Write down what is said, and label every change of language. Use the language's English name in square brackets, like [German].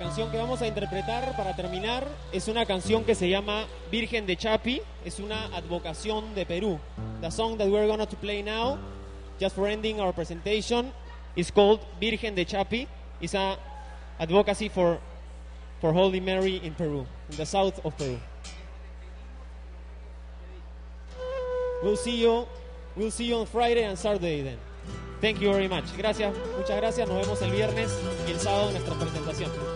[Spanish] Que vamos a interpretar para terminar es una canción que se llama Virgen de Chapi, es una advocación de Perú. [English] The song that we're going to play now, just for ending our presentation, is called Virgen de Chapi. It's an advocacy for Holy Mary in Peru, in the south of Peru. We'll see you on Friday and Saturday then. Thank you very much. [Spanish] Gracias, muchas gracias. Nos vemos el viernes y el sábado en nuestra presentación.